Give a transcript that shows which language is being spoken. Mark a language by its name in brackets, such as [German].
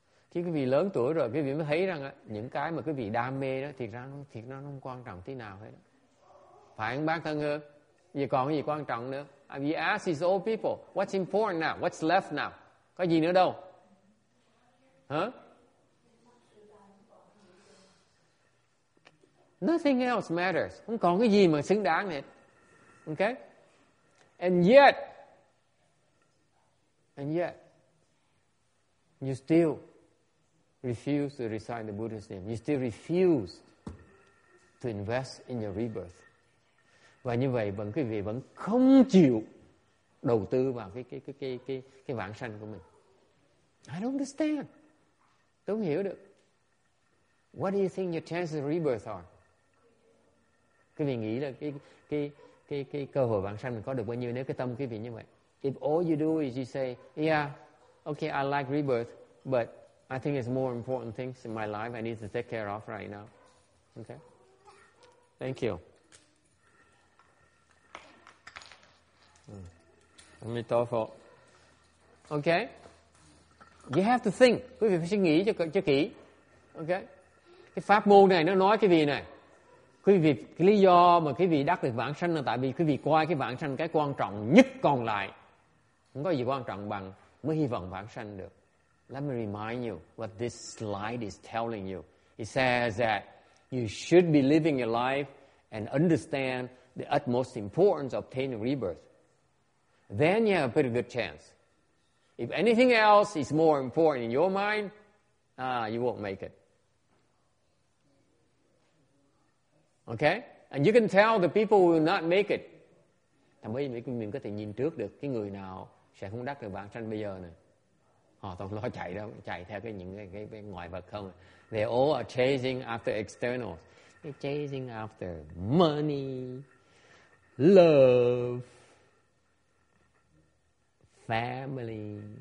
[Vietnamese] Khi quý vị lớn tuổi rồi, quý vị mới thấy rằng những cái mà quý vị đam mê đó thiệt ra nó không quan trọng tí nào hết. Phải không bác thân hơn? Vì còn gì quan trọng nữa? [English] We ask these old people, what's important now? What's left now? [Vietnamese] Có gì nữa đâu? Huh? [English] Nothing else matters. [Vietnamese] Không còn cái gì mà xứng đáng hết. [English] Okay? And yet, you still refuse to recite the Buddha's name. You still refuse to invest in your rebirth. [Vietnamese] Và như vậy vẫn quý vị vẫn không chịu đầu tư vào cái vãng sanh của mình. [English] I don't understand. [Vietnamese] Tôi không hiểu được. [English] What do you think your chances of rebirth are? [Vietnamese] Quý vị nghĩ là cái cơ hội vãng sanh mình có được bao nhiêu nếu cái tâm quý vị như vậy? [English] If all you do is you say, yeah, okay, I like rebirth, but I think it's more important things in my life I need to take care of right now. Okay? Thank you. Amitofo. Okay? You have to think. [Vietnamese] Quý vị phải suy nghĩ cho kỹ. Okay? Cái pháp môn này nó nói cái gì này? Quý vị, cái lý do mà quý vị đắc được vãng sanh là tại vì quý vị coi cái vãng sanh cái quan trọng nhất còn lại. Không có gì quan trọng bằng mới hy vọng vãng sanh được. [English] Let me remind you what this slide is telling you. It says that you should be living your life and understand the utmost importance of obtaining rebirth. Then you have a pretty good chance. If anything else is more important in your mind, you won't make it. Okay? And you can tell the people who will not make it. [Vietnamese] Thậm chí mình có thể nhìn trước được cái người nào sẽ không đắc được vãng sanh bây giờ nè. Họ không lo chạy đâu, chạy theo những cái ngoại vật không. [English] They all are chasing after externals. They're chasing after money, love, family.